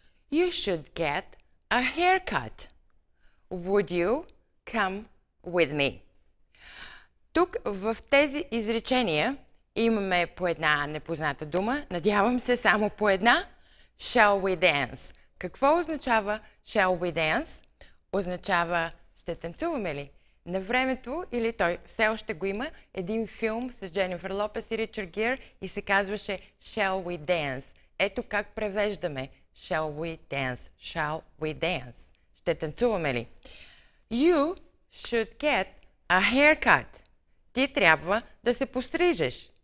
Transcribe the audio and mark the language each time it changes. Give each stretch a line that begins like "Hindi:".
English: You should get a haircut. Would you come with me?
Bulgarian: Тук в тези изречения имаме по една непозната дума, надявам се само по една.
English: Shall we dance?
Bulgarian: Какво означава
English: shall we dance?
Bulgarian: Означава ще танцуваме ли? На времето, или той все още го има, един филм с Дженнифър Лопес и Ричард Гир и се казваше Shall we dance? Ето как превеждаме
English: Shall we dance? Shall we dance?
Bulgarian: Ще танцуваме ли?
English: You should get a haircut.
Bulgarian: Ти трябва да се пострижеш.